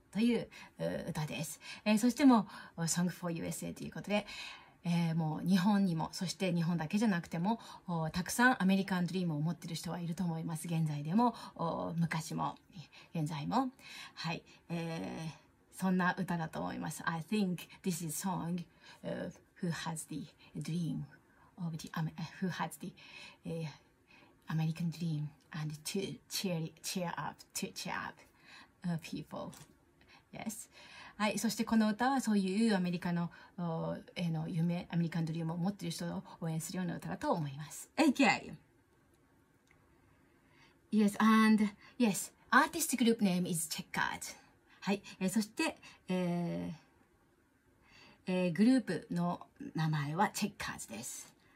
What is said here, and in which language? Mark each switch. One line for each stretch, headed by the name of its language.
Japanese: という歌です、そしても Song for USA ということで、もう日本にもそして日本だけじゃなくてもたくさんアメリカンドリームを持っている人はいると思います。現在でも昔も現在も、はい、そんな歌だと思います。
English: I think this is song who has the dream of the who has the、American dream and to cheer up people。 Yes.
Japanese: はい、そしてこの歌はそういうアメリカの、の夢、アメリカンドリームを持っている人を応援するような歌だと思います。
English: Okay. Yes, and yes, artist group name is チェッカーズ。
Japanese: はい、そして、グループの名前はチェッカーズです。